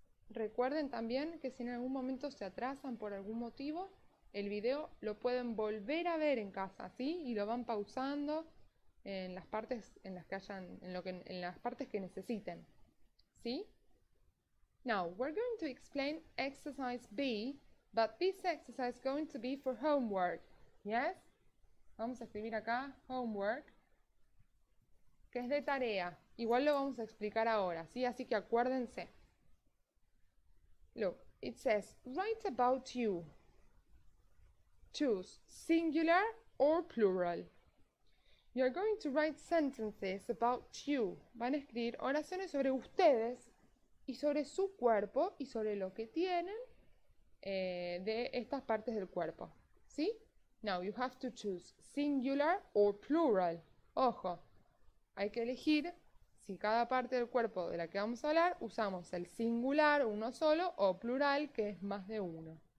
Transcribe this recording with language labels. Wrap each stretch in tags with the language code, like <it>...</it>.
<es>Recuerden también que si en algún momento se atrasan por algún motivo, el video lo pueden volver a ver en casa, ¿sí? Y lo van pausando en las partes en las que hayan, en las partes que necesiten, ¿sí?</es> <en>Now, we're going to explain exercise B. But this exercise is going to be for homework, yes?</en> <es>Vamos a escribir acá, homework, que es de tarea. Igual lo vamos a explicar ahora, ¿sí? Así que acuérdense.</es> <en>Look, it says, write about you. Choose singular or plural. You're going to write sentences about you.</en> <es>Van a escribir oraciones sobre ustedes y sobre su cuerpo y sobre lo que tienen de estas partes del cuerpo. ¿Sí?</es> <en>Now you have to choose singular or plural.</en> <es>Ojo, hay que elegir si cada parte del cuerpo de la que vamos a hablar usamos el singular, uno solo, o plural, que es más de uno.</es>